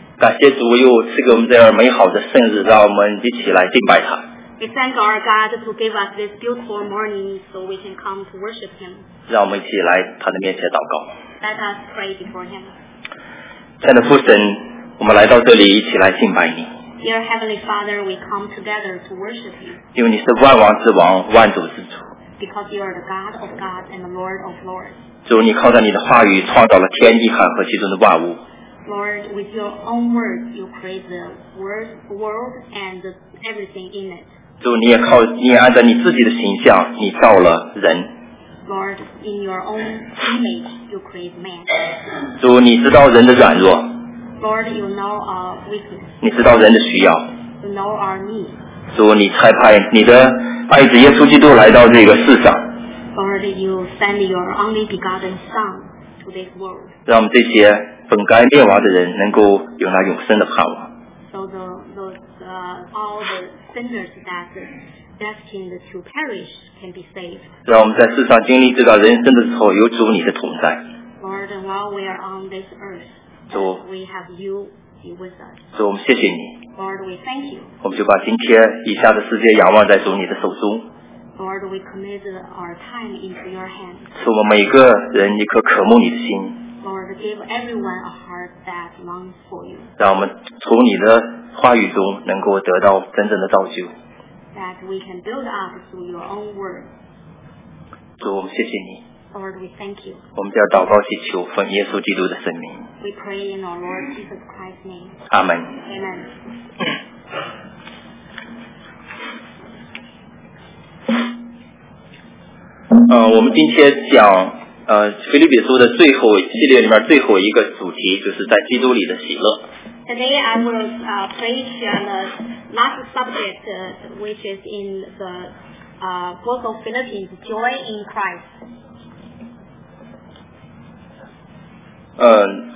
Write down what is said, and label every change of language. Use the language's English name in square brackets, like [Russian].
[Chinese] 感谢主又赐给我们这样美好的圣日，让我们一起来敬拜他。 [English] We thank our God who gave us this beautiful morning so we can come to worship Him. [Chinese] 让我们一起来他的面前祷告。 [English] Let us pray before Him. [Chinese] 亲爱的父神，我们来到这里一起来敬拜你。 [English] Dear Heavenly Father, we come together to worship you. [Chinese] 因为你是万王之王，万主之主。 [English] Because you are the God of God and the Lord of Lords. [Chinese] 主，你靠着你的话语创造了天地和其中的万物。 [English] Lord, with your own words, you create the world and everything in it. [Chinese] 主，你也按照你自己的形象，你造了人。 [English] Lord, in your own image, you create man. [Chinese] 主，你知道人的软弱。 [English] Lord, you know our weakness. [Chinese] 你知道人的需要。 [English] You know our need. [Chinese] 主，你差派你的爱子耶稣基督来到这个世上。 [English] Lord, you send your only begotten Son to this world. [Chinese] 让我们这些本该灭亡的人能够有那永生的盼望。 [English] So all the sinners that are destined to perish can be saved. [Chinese] 让我们在世上经历这段人生的时候，有主你的同在。 [English] Lord, while we are on this earth. We have you with us. [Chinese] 主，我们谢谢你。 [English] Lord, we thank you. [Chinese] 我们就把今天以下的时间仰望在主你的手中。 [English] Lord, we commit our time into your hands. [Chinese] 赐我们每个人一颗渴慕你的心。 [English] Lord, give everyone a heart that longs for you. [Chinese] 让我们从你的话语中能够得到真正的造就。 [English] That we can build up through your own word. [Chinese] 主，我们谢谢你。 [English] Lord, we thank you. [Chinese] 我们叫祷告祈求，奉耶稣基督的圣名。 [English] We pray in our Lord Jesus Christ's name. Amen. Amen. [Chinese] 我们今天讲腓立比书的最后系列里面最后一个主题，就是在基督里的喜乐。 [English] Today I will preach on the last subject, which is in the book of Philippians, joy in Christ.